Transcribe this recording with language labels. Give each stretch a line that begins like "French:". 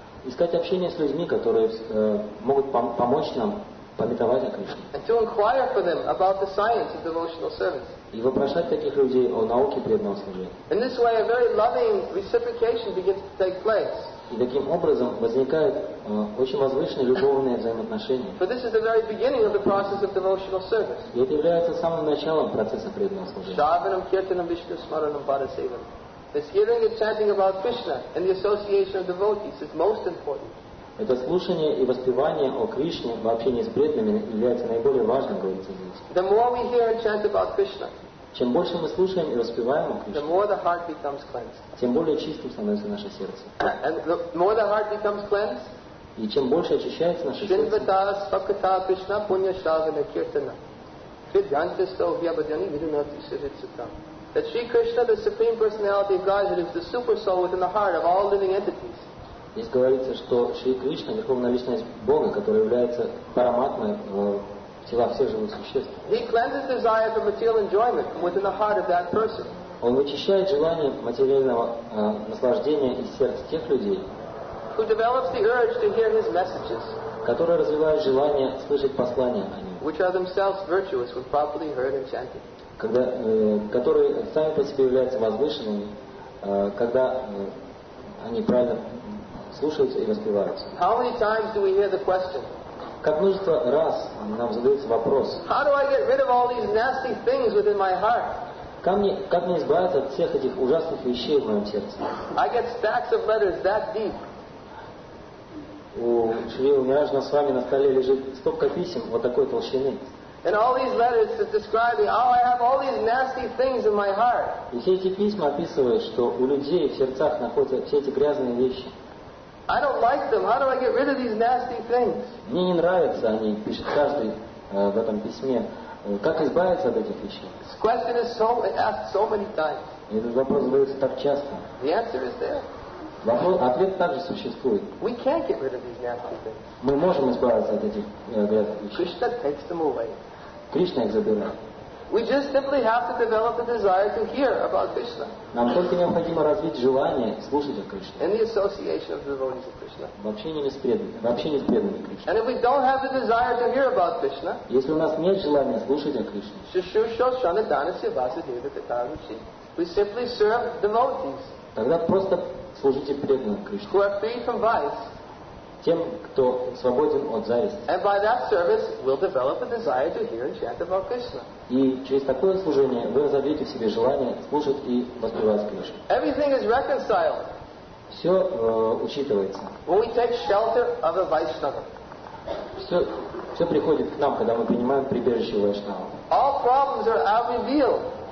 Russian: искать общение с людьми, которые могут помочь нам памятовать о Кришне.
English: And to inquire for them about the science of devotional service.
Russian: И вопрошать таких людей о науке преданного служения.
English: In this way, a very loving reciprocation begins to take place.
Russian: И таким образом возникают очень возвышенные любовные взаимоотношения.
English: But this is the very beginning of the process of devotional service.
Russian: И это является самым началом процесса преданного служения.
Sanskrit: Шраваном, киртаном, вишну смараном, парасеваном.
English: This hearing and chanting about Krishna and the association of devotees is most important.
Russian: Это слушание и воспевание о Кришне в общении с преданными является наиболее важным, говорится здесь.
English: The more we hear and chant about Krishna,
Russian: чем больше мы слушаем и воспеваем о Кришне,
English: the more the heart becomes cleansed.
Russian: Тем более чистым становится наше сердце.
English: And the more the heart becomes cleansed,
Russian: и чем больше очищается наше сердце, Shinvatara, Svakatara, Krishna, Punya, Shravana, Kirtana, Vidyantya, Sohya, Vidyani, Vidunati, Siddhitsutam.
English: That Sri Krishna, the Supreme Personality of Godhead, is the super soul within the heart of all living entities.
Russian: Здесь говорится, что Шри Кришна, Верховная Личность Бога, которая является параматмой в телах всех живых существ.
English: He cleanses desire for material enjoyment within the heart of that person.
Russian: Он вычищает желание материального наслаждения из сердца тех людей,
English: who develops the urge to hear his messages,
Russian: которые развивают желание слышать послания о нем,
English: which are themselves virtuous when properly heard and chanted.
Russian: Когда, которые сами по себе являются возвышенными, когда они правильно слушаются и воспеваются.
English: How many times do we hear the question?
Russian: Как множество раз нам задается вопрос.
English: How do I get rid of all these nasty things within my heart?
Russian: Как мне избавиться от всех этих ужасных вещей в моем сердце?
English: I get stacks of letters that deep.
Russian: У Шрилы Миражна с вами на столе лежит стопка писем вот такой толщины.
English: And all these letters that describe me, oh, I have all these nasty things in my heart.
Russian: И все эти письма описывают, что у людей в сердцах находятся все эти грязные вещи.
English: I don't like them. How do I get rid of these nasty things?
Russian: Мне не нравятся они, пишет каждый в этом письме. Как избавиться от этих вещей?
English: This question is so asked so many times.
Russian: И этот вопрос задается так часто.
English: The answer is there.
Russian: Ответ также существует.
English: We can't get rid of these nasty things.
Russian: Мы можем избавиться от этих грязных вещей.
English: Krishna takes them away.
Russian: Кришна их забирает.
English: We just simply have to develop a desire to hear about Krishna.
Russian: Нам только необходимо развить желание слушать о Кришне.
English: In the association of devotees of Krishna.
Russian: В общении с преданными Кришне.
English: And if we don't have the desire to hear about Krishna,
Russian: если у нас нет желания слушать о Кришне,
English: Shushusha Shanadana Sivasa Devatatavichi, we simply serve devotees.
Russian: Тогда просто служите преданным Кришне.
English: Who are free from vice.
Russian: Тем, кто свободен от зависти.
English: And by that service, we'll develop a desire to hear and chant about Krishna.
Russian: И через такое служение вы разовьете в себе желание слушать и воспевать Кришну.
English: Everything is reconciled.
Russian: Все учитывается.
English: When we take shelter of a Vaishnava.
Russian: Все приходит к нам, когда мы принимаем прибежище Вайшнава.
English: All problems are revealed.